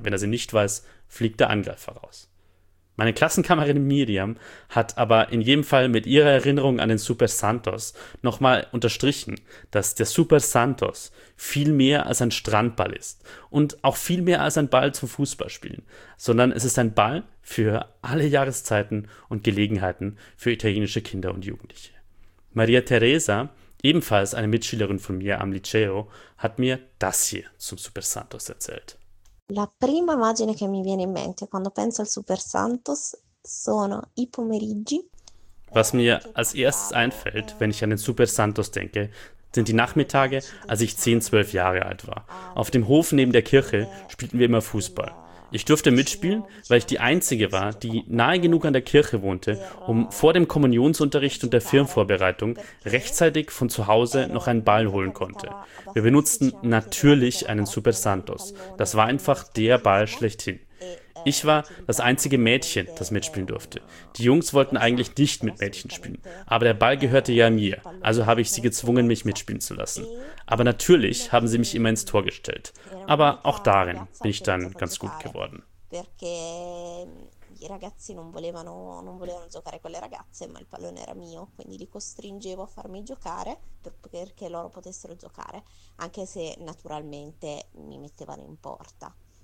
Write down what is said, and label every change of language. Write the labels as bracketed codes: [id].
[de] Wenn er sie nicht weiß, fliegt der Angreifer raus. Meine Klassenkameradin Miriam hat aber in jedem Fall mit ihrer Erinnerung an den Super Santos nochmal unterstrichen, dass der Super Santos viel mehr als ein Strandball ist und auch viel mehr als ein Ball zum Fußballspielen, sondern es ist ein Ball für alle Jahreszeiten und Gelegenheiten für italienische Kinder und Jugendliche. Maria Teresa, ebenfalls eine Mitschülerin von mir am Liceo, hat mir das hier zum Super Santos erzählt. [it] La prima immagine che mi viene in mente quando penso al Super Santos sono i pomeriggi. [de] Was mir als erstes einfällt, wenn ich an den Super Santos denke, sind die Nachmittage, als ich 10-12 Jahre alt war. Auf dem Hof neben der Kirche spielten wir immer Fußball. Ich durfte mitspielen, weil ich die Einzige war, die nahe genug an der Kirche wohnte, um vor dem Kommunionsunterricht und der Firmenvorbereitung rechtzeitig von zu Hause noch einen Ball holen konnte. Wir benutzten natürlich einen Super Santos. Das war einfach der Ball schlechthin. Ich war das einzige Mädchen, das mitspielen durfte. Die Jungs wollten eigentlich nicht mit Mädchen spielen, aber der Ball gehörte ja mir, also habe ich sie gezwungen, mich mitspielen zu lassen. Aber natürlich haben sie mich immer ins Tor gestellt. Aber auch darin bin ich dann ganz gut geworden. [it] Perché i ragazzi non volevano giocare con le ragazze, ma il pallone era mio, quindi li costringevo a farmi giocare perché loro potessero giocare, anche se naturalmente mi mettevano in porta.